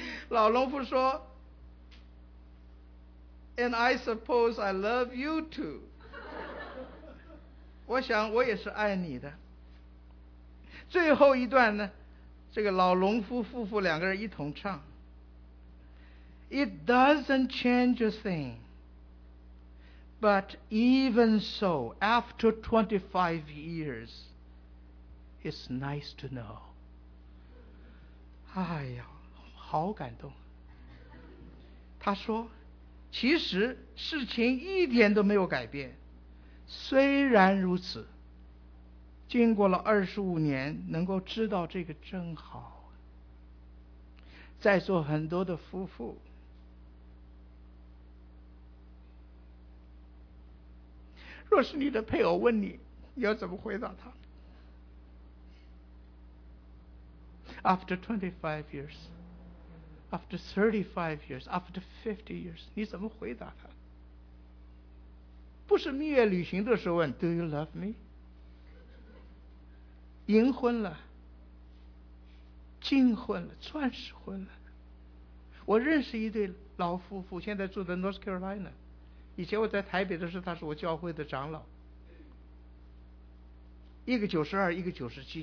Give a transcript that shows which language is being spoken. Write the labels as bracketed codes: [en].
[zh] 老农夫说：“ [en] And I suppose I love you too。” [zh] 我想我也是爱你的。最后一段呢，这个老农夫夫妇两个人一同唱。 [en] It doesn't change a thing. But even so, after 25 years, it's nice to know. [zh] 哎呀，好感动。他说，其实事情一点都没有改变。虽然如此，经过了25年，能够知道这个真好。在座很多的夫妇，若是你的配偶问你，你要怎么回答他？ [en] After 25 years, after 35 years, after 50 years, [zh] 你怎么回答他？不是蜜月旅行的时候问 [en] Do you love me? [zh] 银婚了，金婚了，钻石婚了。我认识一对老夫妇，现在住在 North Carolina。以前我在台北的时候，他是我教会的长老，一个92，一个97。